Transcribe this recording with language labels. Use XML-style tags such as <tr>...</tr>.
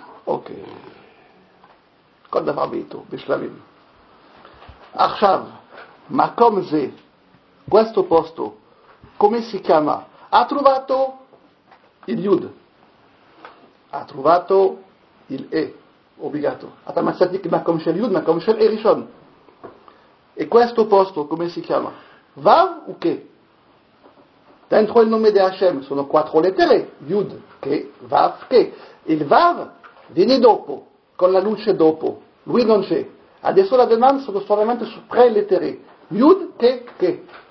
<he>Ok. כל דבר בעיתו, בשלבים. עכשיו, מקום זה,</he> <it>questo posto, come si chiama? Ha trovato il Yud. Ha trovato il E, obbligato.</it> <he>אתה מצאתי מקום של Yud, מקום של E ראשון.</he> <it>E questo posto, come si chiama? Vav o che? Dentro il nome di Hashem, sono quattro lettere. Yud, che, Vav, che. Il Vav... Vieni dopo, con la luce dopo. Lui non c'è. Adesso la domanda sono solamente su tre lettere. Yud, che.</it>